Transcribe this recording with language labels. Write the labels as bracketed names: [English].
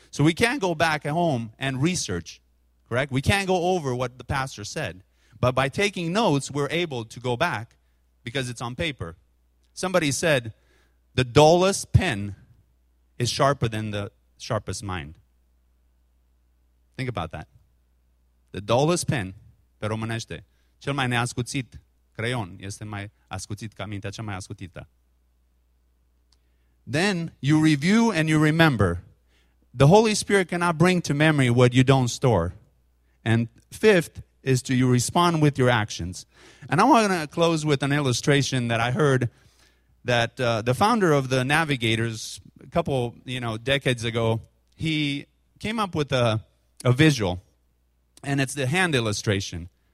[English] So we can't go back at home and research, correct? We can't go over what the pastor said. But by taking notes, we're able to go back because it's on paper. Somebody said, the dullest pen is sharper than the sharpest mind. Think about that. The dullest pen, [Romanian] pero mănește, cel mai neascuțit creion este mai ascuțit ca mintea cea mai ascuțită. [English] Then you review and you remember. The Holy Spirit cannot bring to memory what you don't store. And fifth is to you respond with your actions. And I want to close with an illustration that I heard that the founder of the Navigators, a couple, you know, decades ago, he came up with a visual, and it's the hand illustration.